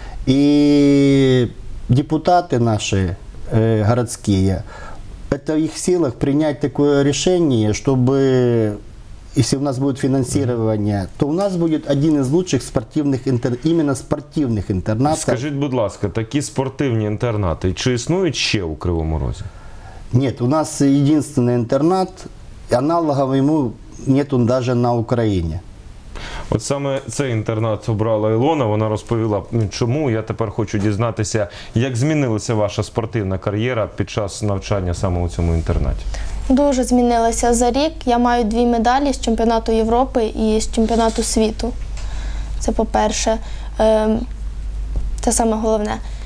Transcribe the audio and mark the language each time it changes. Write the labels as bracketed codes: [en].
[ru] И депутаты наши городские, это в их силах принять такое решение, чтобы, если у нас будет финансирование, то у нас будет один из лучших спортивных именно спортивных интернатов. [uk] Скажите, будь ласка, [ru] такие спортивные интернаты, [uk] чи існують ще у Кривому Розі? [ru] Нет, у нас единственный интернат, аналогов ему нету даже на Украине. [uk] От саме цей інтернат обрала Ілона, вона розповіла, чому. Я тепер хочу дізнатися, як змінилася ваша спортивна кар'єра під час навчання саме у цьому інтернаті. Дуже змінилася за рік. Я маю 2 медалі з чемпіонату Європи і з чемпіонату світу. Це по-перше. Це саме головне.